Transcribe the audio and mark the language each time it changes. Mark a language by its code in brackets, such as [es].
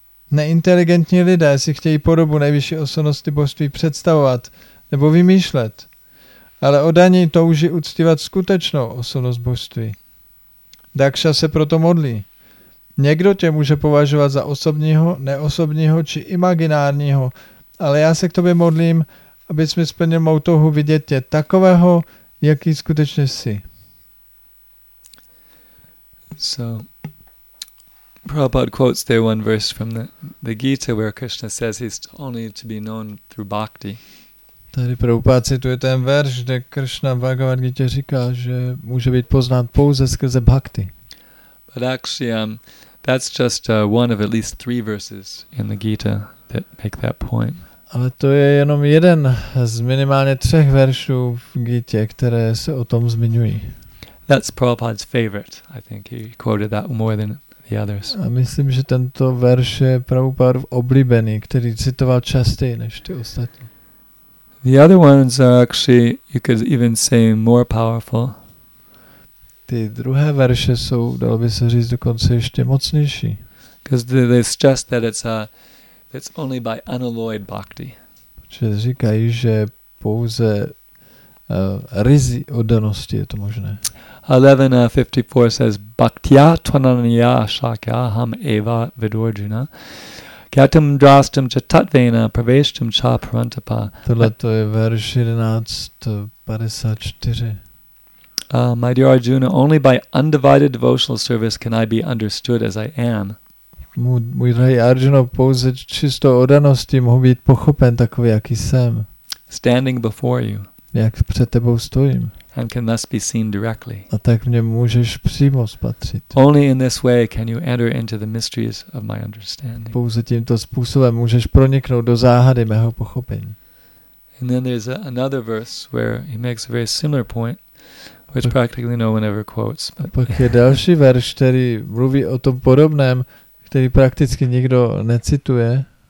[cs] Neinteligentní lidé si chtějí podobu nejvyšší osobnosti božství představovat nebo vymýšlet, ale oddaní touží uctívat skutečnou osobnost božství. Dakša se proto modlí. Někdo tě může považovat za osobního, neosobního či imaginárního, ale já se k tobě modlím, abys mi splnil mou touhu vidět tě takového, jaký skutečně jsi. [en] So, Prabhupada quotes there one verse from the Gita where Krishna says he's only to be known through bhakti. [cs] Tady Prabhupada cituje ten verš, kde Krishna v Bhagavad Gita říká, že může být poznán pouze skrze bhakti. [en] But actually, that's just one of at least three verses in the Gita that make that point. [cs] Ale to je jenom jeden z minimálně třech veršů v Gitě, které se o tom zmiňují. [en] That's Prabhupada's favorite. I think he quoted that more than the others. [cs] A myslím, že tento verš je Prabhupada oblíbený, který citoval častěji než ty ostatní. [en] The other ones are actually, you could even say, more powerful. [cs] Ty druhé verše jsou, dalo by se říct, dokonce ještě mocnější. [en] Because they suggest that it's only by unalloyed bhakti. [cs] Protože říkají, že pouze ryzí oddanosti je to možné. [en] 11.54 says, [sa] Bhaktya tvananya shakya ham eva vidurjuna. Gyatam drastam cha tatvena praveshtam cha parantapa. [cs] Tohle to je verš 11.54. [en] My dear Arjuna, only by undivided devotional service can I be understood as I am. [cs] Můj drahý Arjuna, pouze čistou oddaností mohu být pochopen takový, jaký jsem. [en] Standing before you. [cs] Jak před tebou stojím. [en] And can thus be seen directly. [cs] A tak mě můžeš přímo spatřit. [en] Only in this way can you enter into the mysteries of my understanding. [cs] Pouze tímto způsobem můžeš proniknout do záhady mého pochopení. [en] And then there's another verse where he makes a very similar point, which practically no one ever quotes. [cs] Pak je další verš, který mluví o tom podobném, který prakticky nikdo necituje.